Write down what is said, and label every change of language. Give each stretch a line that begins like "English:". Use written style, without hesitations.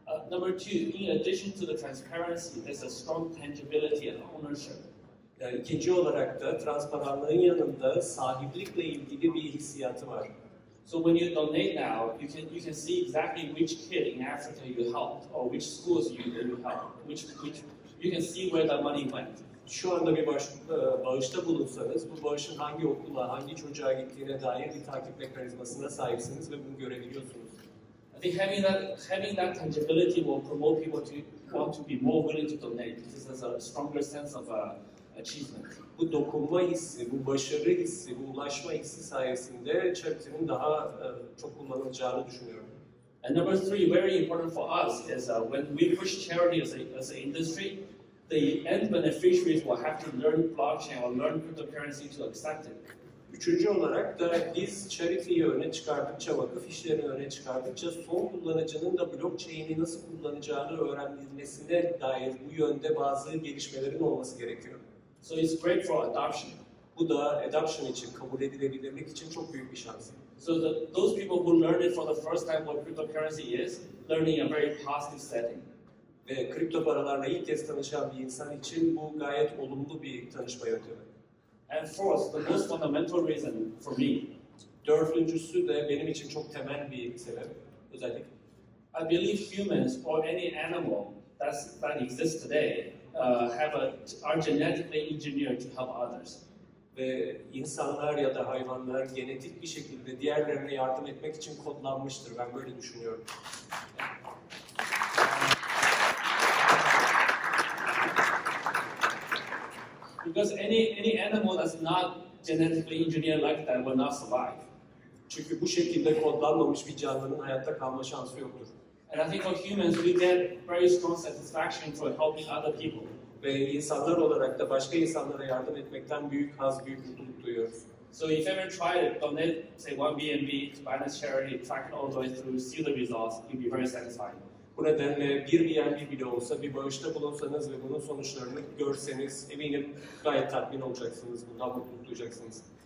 English: Number two, in addition to the transparency, there's a strong tangibility and ownership.
Turkish: İkinci olarak da, transparanlığın yanında sahiplikle ilgili bir hissiyatı var.
English: So when you donate now, you can see exactly which kid in Africa you helped, or which schools you helped, which you can see where that money went.
Turkish: Şu anda bir bağışta bulunsanız, bu bağışın hangi okula, hangi çocuğa gittiğine dair bir takip mekanizmasına sahipsiniz ve bunu görebiliyorsunuz.
English: I think having that tangibility will promote people to want to be more willing to donate because there's a stronger sense of achievement.
Turkish: Bu dokunma hissi, bu başarı hissi, bu ulaşma hissi sayesinde chapter'ın daha çok kullanılacağını düşünüyorum.
English: And number three, very important for us, is when we push charity as an industry, the end beneficiaries will have to learn blockchain or learn cryptocurrency to accept it.
Turkish: Üçüncü olarak da biz charity'yi öne çıkardıkça, vakıf işlerini öne çıkardıkça son kullanıcının da blockchain'i nasıl kullanacağını öğrenilmesine dair bu yönde bazı gelişmelerin olması gerekiyor.
English: So it's great for adoption.
Turkish: Bu da adoption için, kabul edilebilmek için çok büyük bir şans.
English: So those people who learn it for the first time what cryptocurrency is, learning a very positive setting.
Turkish: Ve kripto paralarla ilk kez tanışan bir insan için bu gayet olumlu bir tanışma yöntemi.
English: And fourth, the most fundamental reason for me.
Turkish: Dördüncüsü de benim için çok temel bir sebep, özellikle.
English: I believe humans or any animal that exists today are genetically engineered to help others.
Turkish: Ve insanlar ya da hayvanlar genetik bir şekilde diğerlerine yardım etmek için kodlanmıştır, ben böyle düşünüyorum.
English: Because any animal that's not genetically engineered like that will not survive.
Turkish: Çünkü bu şekilde kodlanmamış bir canlının hayatta kalma şansı yoktur.
English: And I think for humans, we get very strong satisfaction for helping other people.
Turkish: Ve insanlar olarak da başka insanlara yardım etmekten büyük haz, büyük mutluluk duyuyoruz.
English: So if you ever try to donate, say, $1 to Binance Charity, track it all the way through, see the results, you'll be very satisfied.
Turkish: Bu nedenle bir BNB bile olsa, bir bağışta bulunsanız ve bunun sonuçlarını görseniz eminim gayet tatmin olacaksınız, bundan mutluluk duyacaksınız.